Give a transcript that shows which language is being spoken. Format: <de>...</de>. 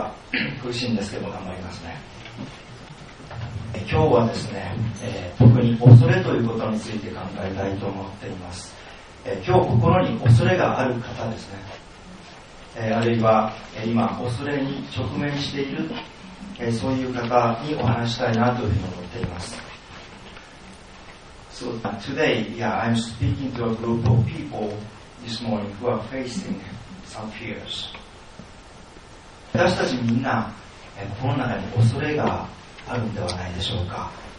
<en>So I have the opportunity to serve parents, children, and teachers in this way.</en> <ja>今日はですね、特に恐れということについて考えたいと思っています。今日心に恐れがある方ですね、あるいは今恐れに直面している、そういう方にお話したいなというふうに思っています。</ja> <en>So today, yeah, I'm speaking to a group of people this morning who are facing some fears.</en> <ja>私たちみんな、この中に恐れがあるんではないでしょうか。</ja>